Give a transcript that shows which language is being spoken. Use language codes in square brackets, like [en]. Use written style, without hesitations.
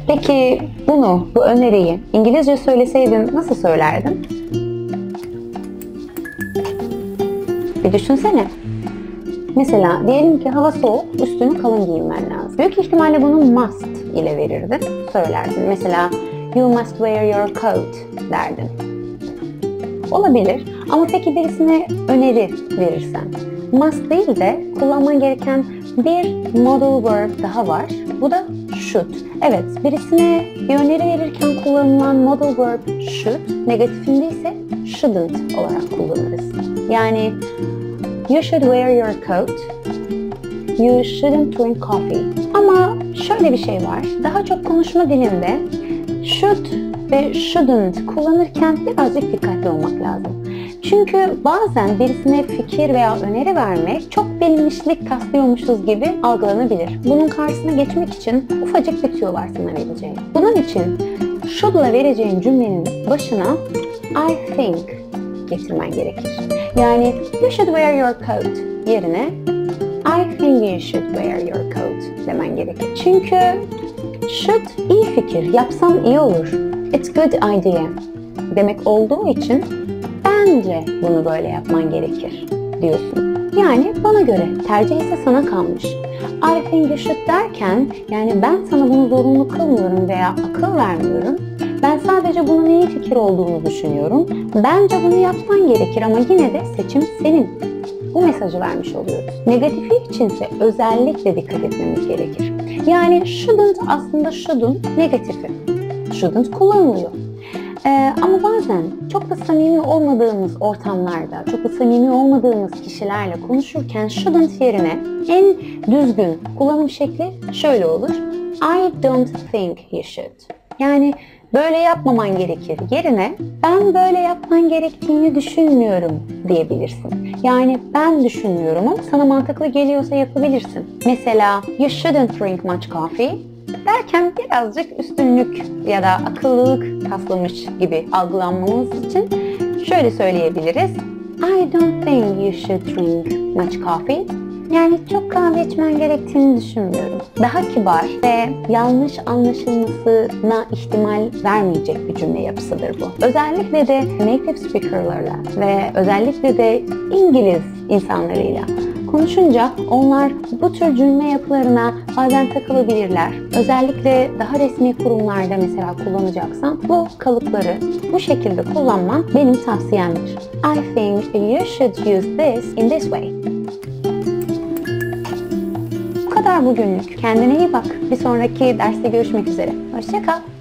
[tr] Peki bu öneriyi İngilizce söyleseydin nasıl söylerdin? Bir düşünsene. Mesela diyelim ki hava soğuk, üstünü kalın giymen lazım. Büyük ihtimalle bunu must ile verirdin, söylerdin. Mesela [en] you must wear your coat [tr] derdin. Olabilir. Ama peki birisine öneri verirsen. Must değil de kullanman gereken bir modal verb daha var. Bu da should. Evet, birisine bir öneri verirken kullanılan modal verb should, negatifindeyse shouldn't olarak kullanırız. Yani [en] you should wear your coat. You shouldn't drink coffee. [tr] Ama şöyle bir şey var. Daha çok konuşma dilinde should ve shouldn't kullanırken birazcık dikkatli olmak lazım. Çünkü bazen birisine fikir veya öneri vermek çok bilmişlik kastıyormuşuz gibi algılanabilir. Bunun karşısına geçmek için ufacık bir tüyo var sana vereceğin. Bunun için should'la vereceğin cümlenin başına [en] I think [tr] getirmen gerekir. Yani [en] you should wear your coat [tr] yerine [en] I think you should wear your coat [tr] demen gerekir. Çünkü should iyi fikir, yapsam iyi olur. [en] It's good idea [tr] demek olduğu için bence bunu böyle yapman gerekir diyorsun. Yani bana göre tercih ise sana kalmış. [en] I think you should [tr] derken yani ben sana bunu zorunlu kılmıyorum veya akıl vermiyorum. Ben sadece bunun iyi fikir olduğunu düşünüyorum. Bence bunu yapman gerekir ama yine de seçim senin. Bu mesajı vermiş oluyoruz. Negatifi içinse özellikle dikkat etmemiz gerekir. Yani shouldn't aslında should'un negatifi. Shouldn't kullanılıyor. Ama bazen çok da samimi olmadığımız ortamlarda, çok da samimi olmadığımız kişilerle konuşurken shouldn't yerine en düzgün kullanım şekli şöyle olur. [en] I don't think you should. [tr] Yani böyle yapmaman gerekir yerine ben böyle yapman gerektiğini düşünmüyorum diyebilirsin. Yani ben düşünmüyorum ama sana mantıklı geliyorsa yapabilirsin. Mesela [en] you shouldn't drink much coffee. [tr] Derken birazcık üstünlük ya da akıllılık taslamış gibi algılanmamız için şöyle söyleyebiliriz. [en] I don't think you should drink much coffee. [tr] Yani çok kahve içmen gerektiğini düşünmüyorum. Daha kibar ve yanlış anlaşılmasına ihtimal vermeyecek bir cümle yapısıdır bu. Özellikle de native speakerlarla ve özellikle de İngiliz insanlarıyla konuşunca onlar bu tür cümle yapılarına bazen takılabilirler. Özellikle daha resmi kurumlarda mesela kullanacaksan bu kalıpları bu şekilde kullanman benim tavsiyemdir. [en] I think you should use this in this way. [tr] Bu kadar bugünlük. Kendine iyi bak. Bir sonraki derste görüşmek üzere. Hoşça kal.